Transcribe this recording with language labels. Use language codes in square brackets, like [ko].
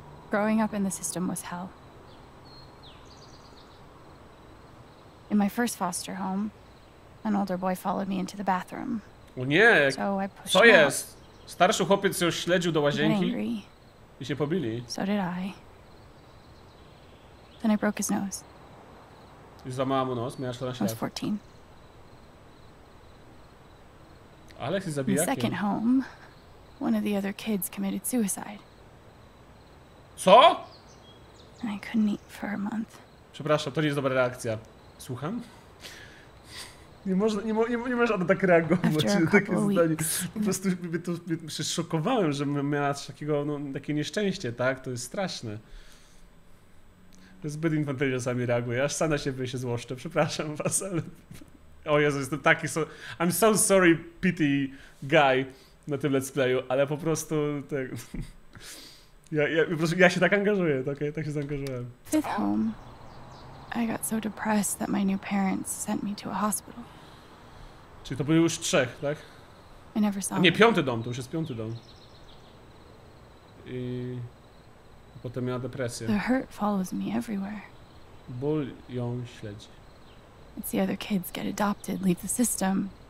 [en] Growing up in the system was hell. In my first foster home, an older boy followed me into the bathroom. [pl] O nie, [en] so I pushed [pl] co jest? Starszy chłopiec już śledził do łazienki i się pobili. [en] So did I. Then I broke his nose. [pl] I złamała mu nos, miała 14 lat. Alex jest zabijakiem. [en] In the second home, one of the other kids committed suicide. [pl] Co? [en] And I couldn't eat for a month. [pl] Przepraszam, to nie jest dobra reakcja. Słucham? Nie możesz Ada tak reagować. Takie zdanie. Po prostu się szokowałem, że miała takiego, no, takie nieszczęście, tak? To jest straszne. Zbyt infantylnie czasami reaguje, aż sam na siebie się złoszczę. Przepraszam was, ale... O Jezu, jestem taki... [en] I'm so sorry, pity guy [pl] na tym let's playu, ale po prostu... Tak... Ja się tak angażuję, okay? Tak się zaangażowałem. [en] Fifth home. I got so depressed that my new parents sent me to a hospital. [pl] Czyli to były już trzech, tak? [en] I never saw [pl] nie, piąty dom, to już jest piąty dom. i potem miała depresję. [en] The hurt follows me everywhere. [pl] Ból ją śledzi. [en] It's the other kids get adopted, leave the system.